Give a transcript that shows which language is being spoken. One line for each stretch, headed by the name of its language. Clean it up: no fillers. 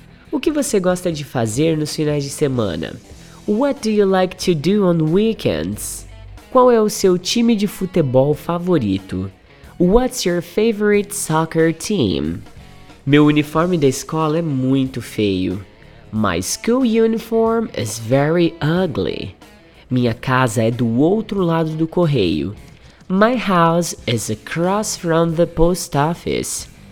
Portuguese: O que você gosta de fazer nos finais de semana?
English: What do you like to do on weekends?
Portuguese: Qual é o seu time de futebol favorito?
English: What's your favorite soccer team?
Portuguese: Meu uniforme da escola é muito feio.
English: My school uniform is very ugly.
Portuguese: Minha casa é do outro lado do correio.
English: My house is across from the post office.